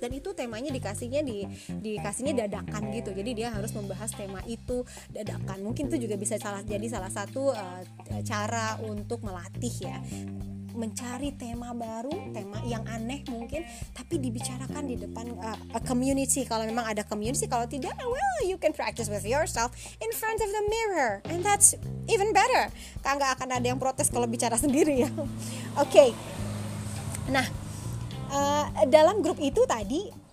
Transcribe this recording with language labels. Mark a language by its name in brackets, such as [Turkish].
[Indonesian] Dan itu temanya dikasihnya dadakan gitu. Jadi dia harus membahas tema itu dadakan. Mungkin itu juga bisa jadi salah satu cara untuk melatih ya, mencari tema baru, tema yang aneh mungkin, tapi dibicarakan di depan a community. Kalau memang ada community, kalau tidak, [English] well, you can practice with yourself in front of the mirror, and that's even better. [Indonesian] Kan gak akan ada yang protes kalau bicara sendiri ya. Okay. Nah, dalam grup itu tadi